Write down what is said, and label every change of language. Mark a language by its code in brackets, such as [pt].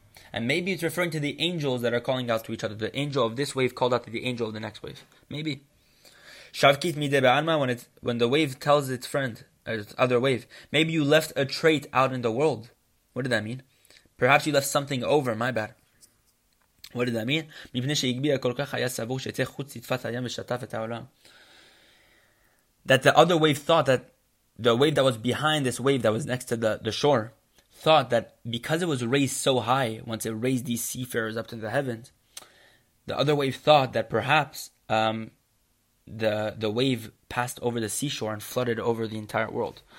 [en] And maybe it's referring to the angels that are calling out to each other. The angel of this wave called out to the angel of the next wave. Maybe. [arc] Shavkit mide be'alma, [en] when the wave tells its friend, its other wave, maybe you left a trait out in the world. What did that mean? Perhaps you left something over. My bad. What did that mean? [he] מפני שהגביה כל כך היה סבור שיצא חוץ לטפת הים ושטף את העולם. [en] That the other wave thought that the wave that was behind this wave that was next to the shore thought that because it was raised so high, once it raised these seafarers up to the heavens, the other wave thought that perhaps the wave passed over the seashore and flooded over the entire world.